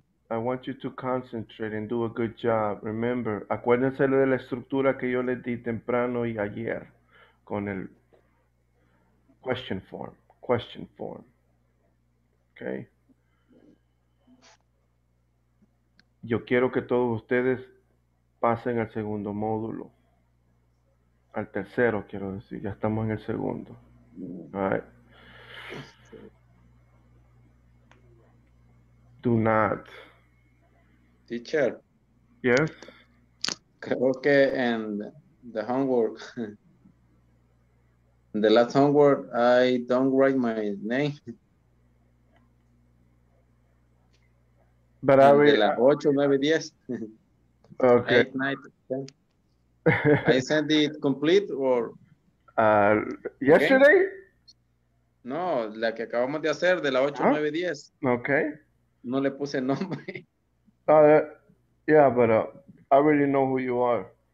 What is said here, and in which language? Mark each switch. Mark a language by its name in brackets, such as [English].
[English] I want you to concentrate and do a good job. [Spanish] Remember, acuérdense de la estructura que yo les di temprano y ayer con el question form. Question form. Okay. Yo quiero que todos ustedes pasen al segundo módulo. Al tercero, quiero decir. Ya estamos en el segundo. All right. [English] Do not. Teacher. Yes. [Spanish] Creo que en [English] the homework, the last homework, I don't write my name. But I will. [Spanish] De la 8, 9, 10. [English] Okay. 8, 9, 10. I sent it complete or? Yesterday? Okay. [Spanish] No, la que acabamos de hacer de la 8, 9, 10. [English] Okay. [Spanish] No le puse nombre. [English] Yeah, but I already know who you are.